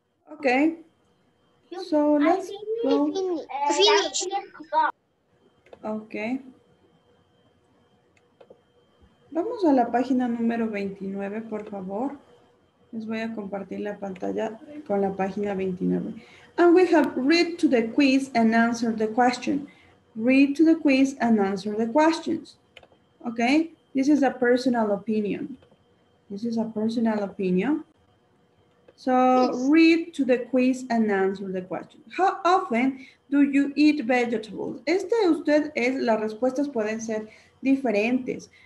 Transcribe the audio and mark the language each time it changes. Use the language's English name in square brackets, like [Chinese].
[English] Ok. So, let's go. Finish. Ok. [Spanish] Vamos a la página número 29, por favor. Les voy a compartir la pantalla con la página 29. [English] And we have read to the quiz and answer the question. Read to the quiz and answer the questions. Okay? This is a personal opinion. This is a personal opinion. So, yes. Read to the quiz and answer the question. How often do you eat vegetables? [Spanish] Este usted es, las respuestas pueden ser diferentes.